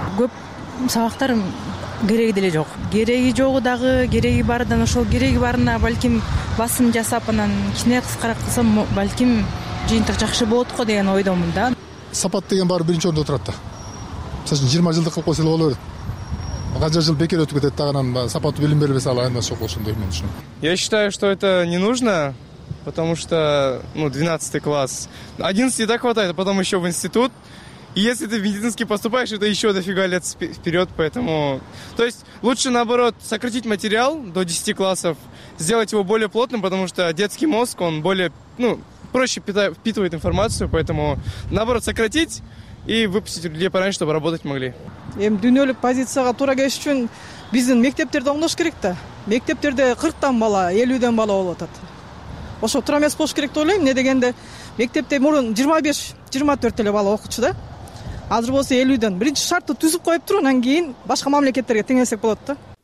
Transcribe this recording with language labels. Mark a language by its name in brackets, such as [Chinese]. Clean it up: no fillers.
[Kyrgyz] Көп сабактар кереги деле жок. Кереги жогу дагы, кереги бардан ошол кереги барына балким басым жасап анан кичине кыскараак кылсам балким жыйынтык жакшы болот го деген ойдомун да. Сапат деген баары биринчи орунда отурат да. Мисалы үчүн 20 жылдык кылып койсо эле боло берет. Канча жыл бекер өтүп кетет дагы анан сапаттуу билим берилбесе ал айнан жок ошондой мен үчүн. [Russian] Я считаю, что это не нужно, потому что, 12 класс. 11 так хватает, а потом еще в институт. И если ты в медицинский поступаешь, это еще дофига лет вперед, поэтому... То есть лучше, наоборот, сократить материал до 10 классов, сделать его более плотным, потому что детский мозг, он более, проще впитывает информацию, поэтому, наоборот, сократить и выпустить людей пораньше, чтобы работать могли. [Kyrgyz] Эми дүйнөлүк позицияга туура келиш үчүн биздин мектептерде оңдош керек да. Мектептерде 40 бала, 50 бала болуп атат. Ошо туура эмес болуш керек деп ойлойм. Эмне дегенде мектепте мурун 25-24 эле бала окучу да. Азыр болсо 50. Биринчи шартты түзүп коюптур, анан кийин башка мамлекеттерге теңесек болот да.